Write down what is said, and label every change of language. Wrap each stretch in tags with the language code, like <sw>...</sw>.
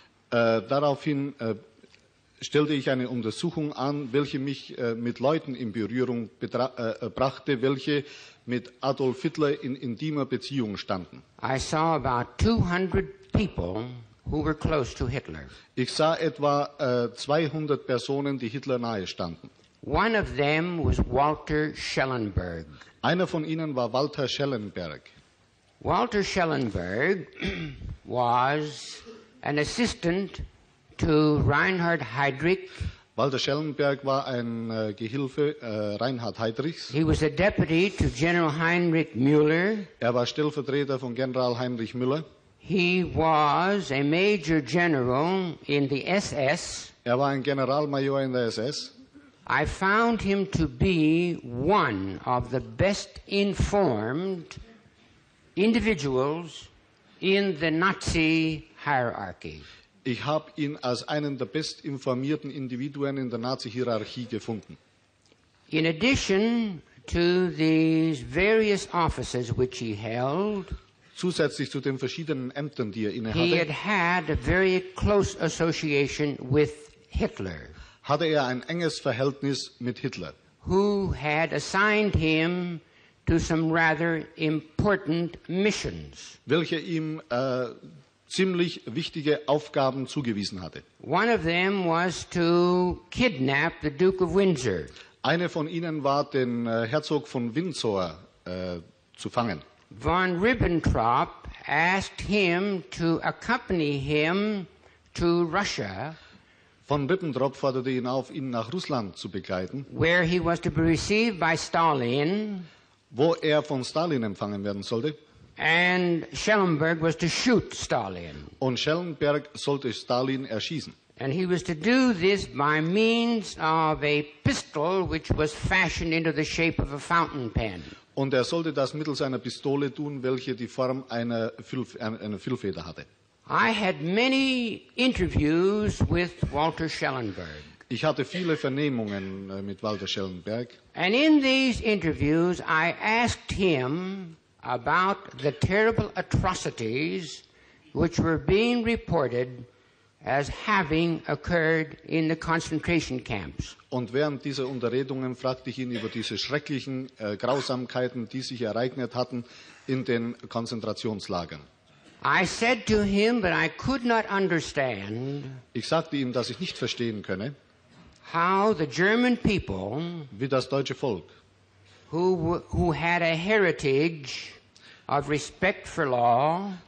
<de>Daraufhin stellte ich eine Untersuchung an, welche mich mit Leuten in Berührung brachte, welche mit Adolf Hitler in intimer Beziehung standen.</de> <en>I saw about 200 people who were close to Hitler.</en> <de>Ich sah etwa 200 Personen, die Hitler nahe standen.</de> <en>One of them was Walter Schellenberg.</en> <de>Einer von ihnen war Walter Schellenberg.</de> <en>Walter Schellenberg was an assistant to Reinhard Heydrich.</en> <de>Walter Schellenberg war ein Gehilfe Reinhard Heydrichs.</de> <en>He was a deputy to General Heinrich Müller.</en> <de>Er war Stellvertreter von General Heinrich Müller.</de> <en>He was a major general in the SS.</en> <de>Er war ein Generalmajor in der SS.</de> <en>I found him to be one of the best informed individuals in the Nazi hierarchy.</en> <de>Ich habe ihn als einen der bestinformierten Individuen in der Nazi-Hierarchie gefunden.</de> <en>In addition to these various offices which he held,</en> <de>zusätzlich zu den verschiedenen Ämtern, die er innehatte,</de> <en>he had had a very close association with Hitler,</en> <de>hatte er ein enges Verhältnis mit Hitler,</de> <en>who had assigned him to some rather important missions,</en> <de>welche ihm ziemlich wichtige Aufgaben zugewiesen hatte.</de> <en>One of them was to kidnap the Duke of Windsor.</en> <de>Eine von ihnen war, den Herzog von Windsor zu fangen.</de> <en>Von Ribbentrop asked him to accompany him to Russia.</en> <de>Von Ribbentrop forderte ihn auf, ihn nach Russland zu begleiten,</de> <en>where he was to be received by Stalin,</en> <de>wo er von Stalin empfangen werden sollte.</de> <en>And Schellenberg was to shoot Stalin.</en> <de>Und Schellenberg sollte Stalin erschießen.</de> <en>And he was to do this by means of a pistol which was fashioned into the shape of a fountain pen.</en> <de>Und er sollte das mittels einer Pistole tun, welche die Form einer Füllfeder hatte.</de> <en>I had many interviews with Walter Schellenberg.</en> <de>Ich hatte viele Vernehmungen mit Walter Schellenberg.</de> <en>And in these interviews I asked him about the terrible atrocities which were being reported as having occurred in the concentration camps.</en> <de>Und während dieser Unterredungen fragte ich ihn über diese schrecklichen Grausamkeiten, die sich ereignet hatten in den Konzentrationslagern.</de> <en>I said to him that I could not understand.</en> <de>Ich sagte ihm, dass ich nicht verstehen könne,</de> <en>how the German people,</en> <de>wie das deutsche Volk,</de> <en>who had a heritage of respect for law,</en>